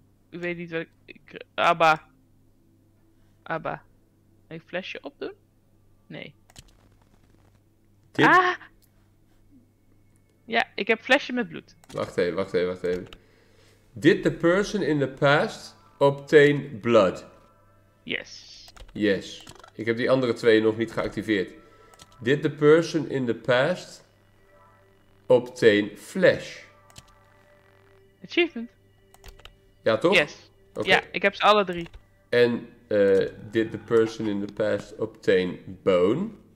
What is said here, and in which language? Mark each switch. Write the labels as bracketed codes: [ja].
[nl] Ik weet niet wat ik... Abba. Wil ik flesje opdoen? Nee. Tim? Ah! Ja, ik heb flesje met bloed. Wacht even. [en] Did the person in the past obtain blood? Yes. [nl] Ik heb die andere twee nog niet geactiveerd. [en] Did the person in the past obtain flesh? Achievement. [nl] Ja, toch? [en] Yes. Okay. [nl] Ja, ik heb ze alle drie. [en] En did the person in the past obtain bone?